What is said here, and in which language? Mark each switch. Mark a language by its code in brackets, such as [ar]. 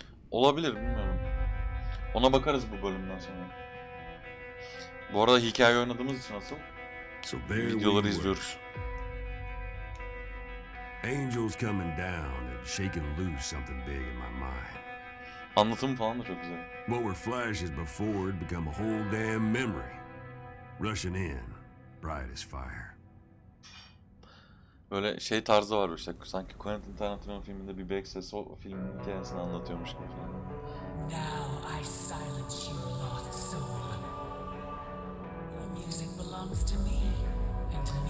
[tr] Olabilir, bilmiyorum. Ona bakarız bu bölümden sonra. Bu arada hikaye oynadığımız için asıl videoları izliyoruz. [en] Angels coming down and shaking loose something big in my mind. [tr] Anlatım falan da çok güzel. [en] What were flashes before had become a whole damn memory. Rushing in, bright as fire. [tr] Böyle şey tarzı var işte, sanki Quentin Tarantino filminde bir bek sesi o filmin hikayesini anlatıyormuş gibi falan. [en] Now I silence you, lost soul. Your music belongs to me and to me.